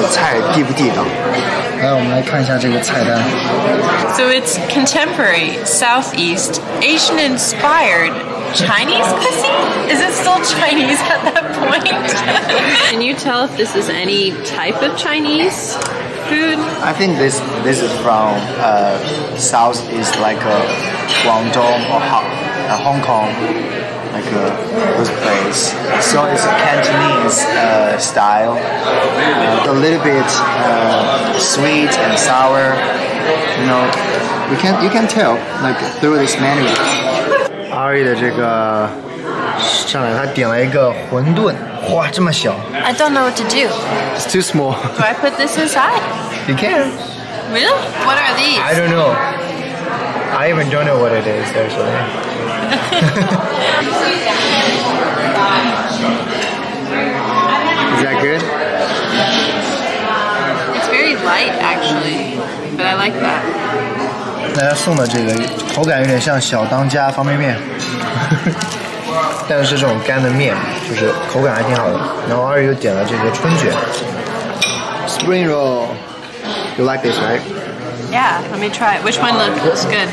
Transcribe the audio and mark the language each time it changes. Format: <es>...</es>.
<zh>今天带Ari来这个中餐馆吃饭，然后这个中餐馆的生意还挺好的，但是不知道这里的菜地不地道。来，我们来看一下这个菜单。</zh> <en>So it's contemporary Southeast Asian inspired Chinese cuisine. Is it still Chinese at that point? Can you tell if this is any type of Chinese food? I think this is from Southeast, like a Guangdong or Hong Kong, like those place. So it's a Cantonese style, a little bit sweet and sour. You know, you can tell like through this menu.</en> <zh>Ari的这个上来，他点了一个馄饨，哇，这么小。</zh> <en>I don't know what to do. It's too small. Do I put this inside? You can. Really? What are these? I don't know. I even don't know what it is, actually. Is that good? It's very light, actually, but I like that.</en> <zh>大家送的这个口感有点像小当家方便面，但是这种干的面，就是口感还挺好的。然后 Ari 又点了这个春卷</zh> <en>，spring roll， you like this, right？ Yeah, let me try it. Which one looks good?</en>